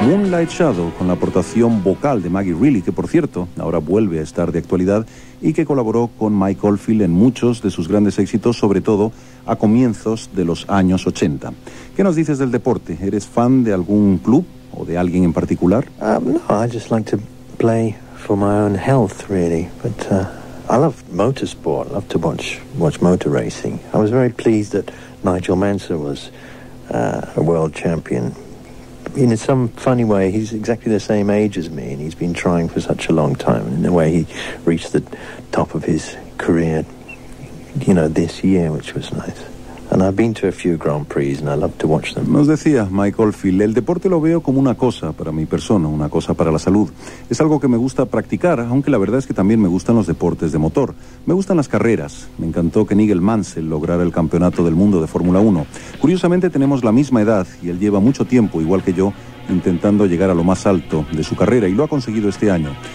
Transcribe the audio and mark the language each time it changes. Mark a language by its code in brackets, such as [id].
[es] Light Shadow, con la aportación vocal de Maggie Reilly, que por cierto, ahora vuelve a estar de actualidad, y que colaboró con Mike Oldfield en muchos de sus grandes éxitos, sobre todo a comienzos de los años 80. ¿Qué nos dices del deporte? ¿Eres fan de algún club o de alguien en particular? [en] No, I just like to play for my own health, really. But I love motorsport. I love to watch motor racing. I was very pleased that Nigel Mansell was a world champion. In some funny way, he's exactly the same age as me, and he's been trying for such a long time. And in a way, he reached the top of his career, you know, this year, which was nice. And I've been to a few Grand Prix, and I love to watch them. [es] Nos decía Mike Oldfield, el deporte lo veo como una cosa para mi persona, una cosa para la salud. Es algo que me gusta practicar, aunque la verdad es que también me gustan los deportes de motor. Me gustan las carreras. Me encantó que Nigel Mansell lograra el campeonato del mundo de Fórmula 1. Curiosamente tenemos la misma edad, y él lleva mucho tiempo, igual que yo, intentando llegar a lo más alto de su carrera, y lo ha conseguido este año.